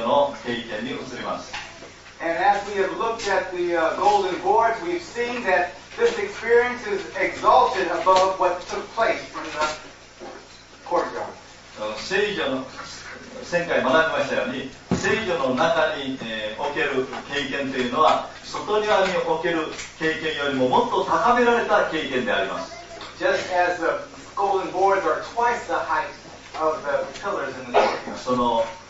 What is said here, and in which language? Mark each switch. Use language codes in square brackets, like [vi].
[ja] 今まで聖所の外庭のことについて、その外庭の経験について学んでまいりました。そしていよいよ聖所の経験に移ります。 [en] And as we have looked at the golden boards, we've seen that this experience is exalted above what took place from the courtyard. [ja] 聖所の、前回学びましたように、聖所の中における経験というのは、 外庭における経験よりももっと高められた経験であります。 [en] Just as the golden boards are twice the height of the pillars in the courtyard.